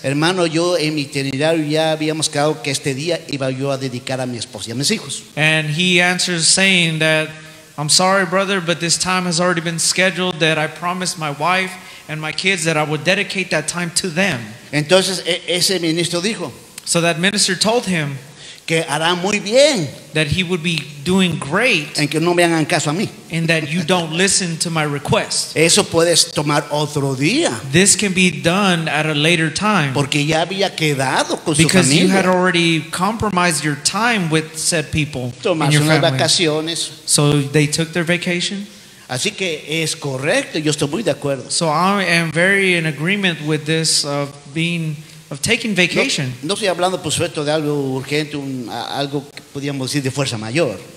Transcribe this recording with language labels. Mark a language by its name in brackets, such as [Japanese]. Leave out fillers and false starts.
[Spanish] hermano, yo en mi itinerario ya habíamos quedado que este día iba yo a dedicar a mi esposa y a mis hijos. [English] And he answers saying that, I'm sorry, brother, but this time has already been scheduled that I promised my wife and my kids that I would dedicate that time to them. [Spanish] Entonces, ese ministro dijo, [English] so that minister told him [Spanish] que hará muy bien, [English] that he would be doing great [Spanish] en que no me hagan caso a mí, [English] and that you don't listen to my request. [Spanish] Eso puedes tomar otro día. [English] This can be done at a later time. [Spanish] Porque ya había quedado con [English] because [Spanish] su familia. [English] You had already compromised your time with said people. [Spanish] Tomas unas vacaciones. [English] So they took their vacation. [Spanish] Así que es correcto. Yo estoy muy de acuerdo. [English] So I am very in agreement with this of being of taking vacation. [Spanish] No estoy hablando por supuesto de algo urgente, algo que podríamos decir de fuerza mayor.